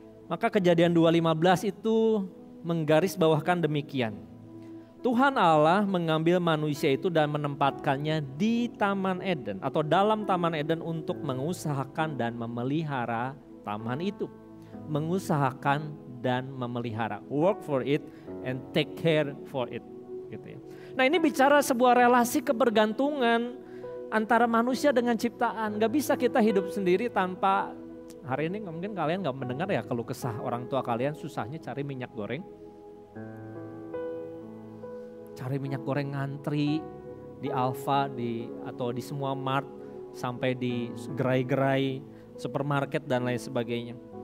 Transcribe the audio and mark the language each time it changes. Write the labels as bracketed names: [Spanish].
[Indonesian] Maka Kejadian 2:15 itu menggarisbawahkan demikian. Tuhan Allah mengambil manusia itu dan menempatkannya di Taman Eden atau dalam Taman Eden untuk mengusahakan dan memelihara taman itu. Mengusahakan dan memelihara. [English] Work for it and take care for it. [Indonesian] Gitu ya. Nah, ini bicara sebuah relasi kebergantungan antara manusia dengan ciptaan. Gak bisa kita hidup sendiri tanpa, hari ini mungkin kalian gak mendengar ya keluh kesah orang tua kalian susahnya cari minyak goreng. Cari minyak goreng ngantri di Alfa atau di semua mart sampai di gerai-gerai supermarket dan lain sebagainya.